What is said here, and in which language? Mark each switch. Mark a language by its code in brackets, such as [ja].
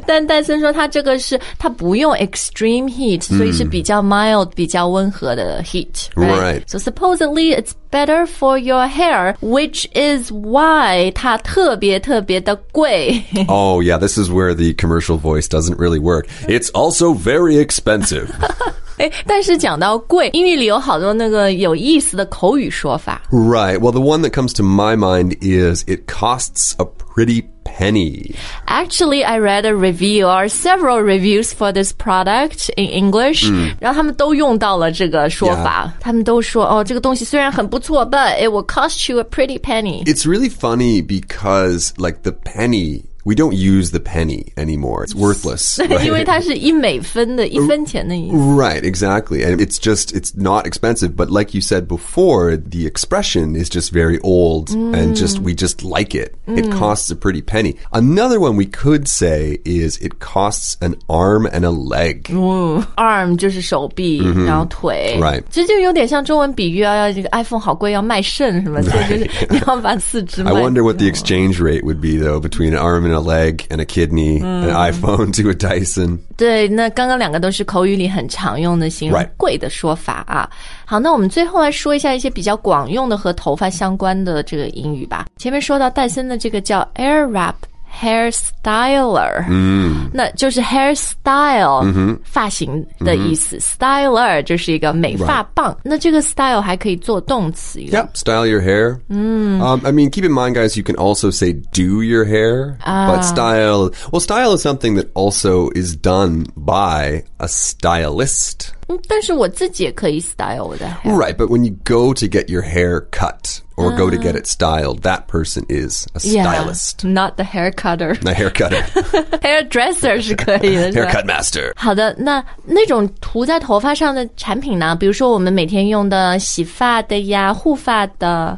[zh] 但戴森说他这个是他不用 [en] extreme heat, [zh] 所以是比较 mild, 比较温和的 heat. Right? [en] Right. So supposedly it's better for your hair, which is why [zh] 它特别特别的贵。 [en] Oh yeah, this is where the commercial voice doesn't really work. It's also very expensive. [zh] 哎，但是讲到贵，英语里有好多那个有意思的口语说法。 [en] Right. Well, the one that comes to my mind is it costs a pretty penny. Actually, I read a review or several reviews for this product in English. [zh] 然后他们都用到了这个说法。 [en] Yeah. [zh] 他们都说，哦，这个东西虽然很不错 ， [en] but it will cost you a pretty penny. It's really funny because like the penny. We don't use the penny anymore. It's worthless. Right? right, exactly. And it's just, it's not expensive. But like you said before, the expression is just very old and just, we just like it. It costs a pretty penny. Another one we could say is it costs an arm and a leg. [zh] Arm 就是手臂然后腿。 [en] Right. [zh] 其实就有点像中文比喻啊 iPhone 好贵要卖肾什么的。就是你要把四肢卖掉。 [en] I wonder what the exchange rate would be though between an arm and a leg and a kidney, an iPhone to a Dyson. [zh] 对，那刚刚两个都是口语里很常用的形容贵的说法啊。好，那我们最后来说一下一些比较广用的和头发相关的这个英语吧。前面说到戴森的这个叫 Airwrap Hairstyler, 那就是 hairstyle, 发型的意思。 Styler 就是一个美发棒。 [en] Right. [zh] 那这个 style 还可以做动词。 [en] Yep, style your hair. I mean, keep in mind, guys, you can also say do your hair, but style, well, style is something that also is done by a stylist. [zh] 但是我自己也可以 style 我的 hair. [en] Right, but when you go to get your hair cut or go to get it styled, that person is a stylist. Yeah, not the hair cutter. The hair cutter. [zh] Hairdresser 是可以的。 [en] Haircut master. [zh] 好的，那那种涂在头发上的产品呢？比如说我们每天用的洗发的呀，护发的。